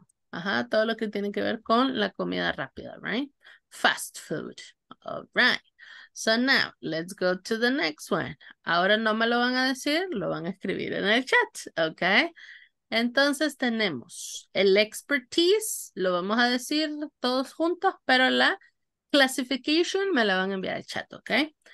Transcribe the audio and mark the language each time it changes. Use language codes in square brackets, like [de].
[es] Ajá, todo lo que tiene que ver con la comida rápida, right? [en] Fast food. All right. So now, let's go to the next one. [es] Ahora no me lo van a decir, lo van a escribir en el chat, okay? Entonces tenemos el expertise, lo vamos a decir todos juntos, pero la classification me la van a enviar al chat, okay?